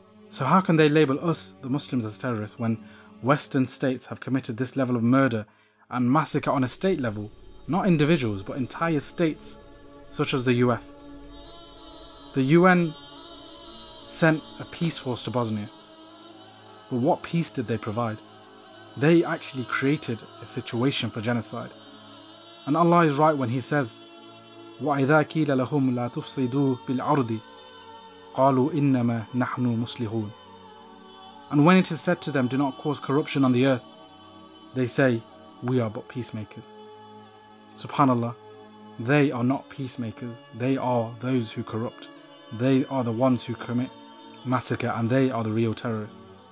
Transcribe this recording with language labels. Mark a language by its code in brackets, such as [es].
[en] So how can they label us, the Muslims, as terrorists when Western states have committed this level of murder and massacre on a state level, not individuals, but entire states, such as the US? The UN sent a peace force to Bosnia. But what peace did they provide? They actually created a situation for genocide. And Allah is right when He says, [ar] وَإِذَا كِيلَ لَهُمْ لَا تُفْسِدُوا فِي الْأَرْضِ قَالُوا إِنَّمَا نَحْنُ مُسْلِحُونَ. [en] And when it is said to them, "Do not cause corruption on the earth," they say, "We are but peacemakers." SubhanAllah, they are not peacemakers. They are those who corrupt. They are the ones who commit massacre and they are the real terrorists.